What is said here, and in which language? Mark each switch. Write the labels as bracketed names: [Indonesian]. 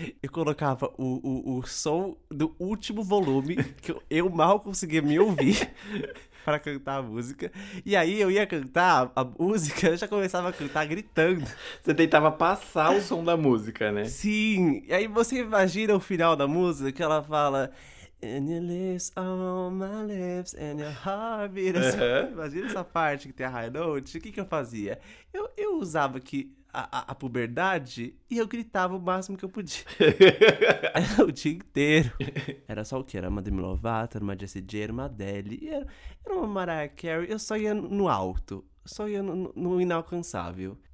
[Portuguese] Eu colocava o som do último volume, que eu mal conseguia me ouvir para cantar a música. E aí eu ia cantar a música, eu já começava a cantar gritando. Você tentava passar o som da música, né? Sim. E aí você imagina o final da música, que ela fala... [English] And your lips are on my lips, and your heartbeat. Uhum. [Portuguese] Imagina essa parte que tem a high note. O que, que eu fazia? Eu usava aqui a puberdade e eu gritava o máximo que eu podia. Era o dia inteiro. Era só o quê? Era uma Demi Lovato, era uma Jessie J, era uma Adele. Era uma Mariah Carey. Eu só ia no alto. Só ia no inalcançável.